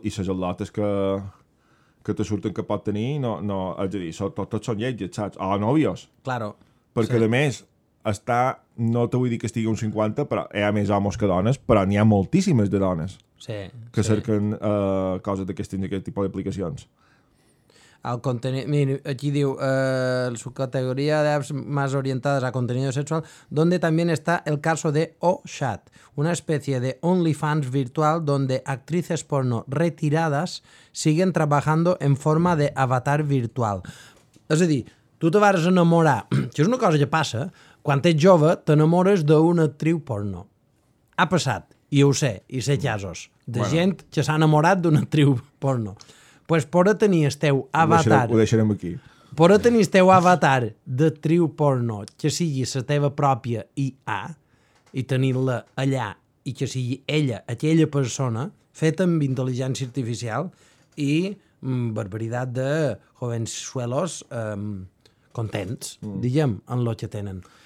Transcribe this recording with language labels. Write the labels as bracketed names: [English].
[Catalan] I les al·lotes que te surten que pot tenir, no, és a dir, tot són lletges, saps? O nòvios. Claro. Perquè, sí, a més, està... No te vull dir que estigui un 50, però hi ha més homes que dones, però n'hi ha moltíssimes de dones. Sí. Que sí, cerquen coses d'aquest tipus d'aplicacions. Al contenir, mira, aquí diu la [Spanish] subcategoria d'apps más orientadas a contenido sexual, donde también está el caso de OChat, una especie de OnlyFans virtual donde actrices porno retiradas siguen trabajando en forma de avatar virtual. [Catalan] És a dir, tu te vas enamorar, que és una cosa que passa, quan ets jove t'enamores d'una actriu porno. Ha passat, i ho sé, i sé casos, de bueno, gent que s'ha enamorat d'una actriu porno. Pues por a tenir el teu avatar... Ho deixarem aquí. Por a tenir el teu avatar de triu porno que sigui la teva pròpia IA i tenir-la allà i que sigui ella, aquella persona feta amb intel·ligència artificial i barbaritat de jovenzuelos contents, diguem, en lo que tenen.